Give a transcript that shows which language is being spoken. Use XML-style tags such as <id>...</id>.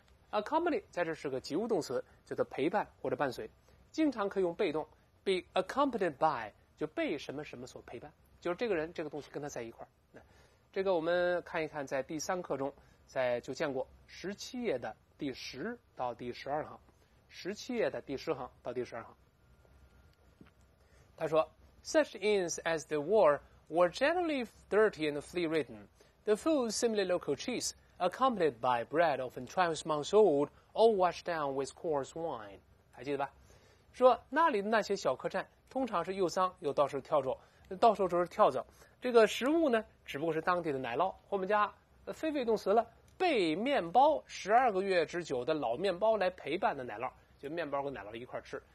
<zh>accompany 在这是个及物动词，叫做陪伴或者伴随，经常可以用被动</zh> <en>be accompanied by，</en> <zh>就被什么什么所陪伴，就是这个人这个东西跟他在一块儿、啊。这个我们看一看，在第三课中在就见过十七页的第十到第十二行，十七页的第十行到第十二行。他说</zh> <en>,such inns as they were generally dirty and flea-ridden. The food, similar local cheese, accompanied by bread often 12 months old, all washed down with coarse wine.</en> <zh>还记得吧？说那里的那些小客栈通常是又脏又到处跳蚤，到处都是跳蚤。这个食物呢只不过是当地的奶酪，我们家非谓动词了，被面包12个月之久的老面包来陪伴的奶酪，就面包跟奶酪一块吃。</zh>